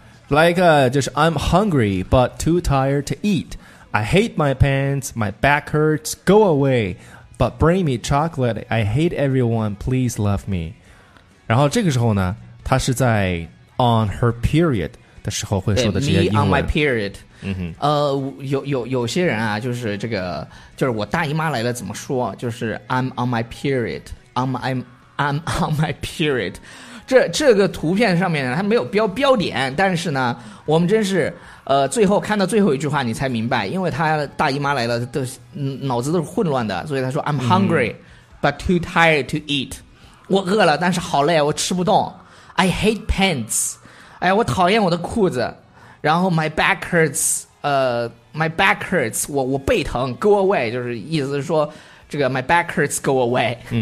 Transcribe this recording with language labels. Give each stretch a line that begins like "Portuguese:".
English: Like、
Chinese: 就是
English: I'm hungry but too tired to eat, I hate my pants, my back hurts, go awayBut bring me chocolate, I hate everyone, please love me.
Chinese: 然后这个时候呢，她是在
English: on her period
Chinese: 的时候会说的这些英文。
English: Me on my period. 嗯哼。
Chinese: 有些人啊，就是这个，就是我大姨妈来了怎么说？就是
English: I'm on my period, I'm on my period.
Chinese: 这个图片上面它没有标点，但是呢，我们真是。最后看到最后一句话你才明白，因为他大姨妈来了都脑子都是混乱的，所以他说
English: I'm hungry、but too tired to eat，
Chinese: 我饿了但是好累我吃不动，
English: I hate pants，
Chinese: 哎，我讨厌我的裤子，然后
English: my back hurts
Chinese: 我背疼，
English: go away
Chinese: 就是意思是说这个
English: my back hurts go away、